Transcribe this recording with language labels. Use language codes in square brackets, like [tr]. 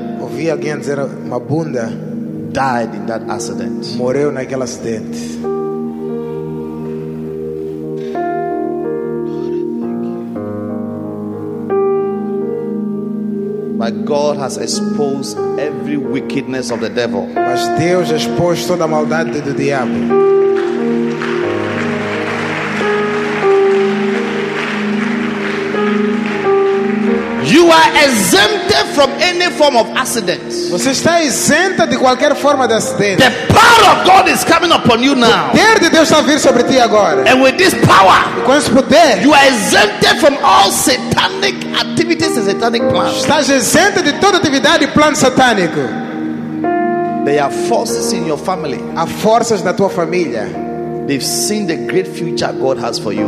[pt] Ouvi alguém dizer, Mabunda. [en] Died in that accident. [pt] Morreu naquele acidente. [en] God has exposed every wickedness of the devil. [pt] Mas Deus expôs toda a maldade do diabo. [en] You are exempted from any form of accident. [pt] Você está isenta de qualquer forma de acidente. [en] The power of God is coming upon you now. [pt] O poder de Deus está vindo sobre ti agora. [en] And with this power, [pt] com esse poder, [en] you are exempted from all satanic activities and satanic plans. [pt] Está isenta de toda atividade e plano satânico. [en] There are forces in your family. [pt] Há forças na tua família. [en] They've seen the great future God has for you.